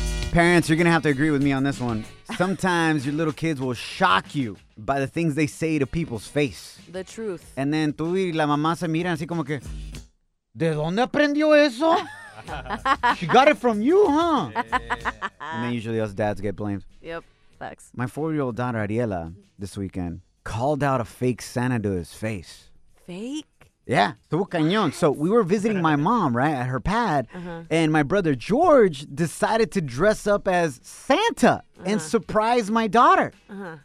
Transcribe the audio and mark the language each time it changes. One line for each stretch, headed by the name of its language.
English: Parents, you're gonna have to agree with me on this one. Sometimes your little kids will shock you by the things they say to people's face. The truth. And then
Spanish: tú y la mamá se miran así como que, ¿de dónde aprendió eso?
English: She got it from you, huh? Yeah. And then usually us dads get blamed. Yep, facts. My 4-year-old daughter Ariela this weekend called out a fake Santa to his face. Fake? Yeah. What? So we were visiting my mom, right, at her pad, and my brother George decided to dress up as Santa and surprise my daughter. Uh-huh.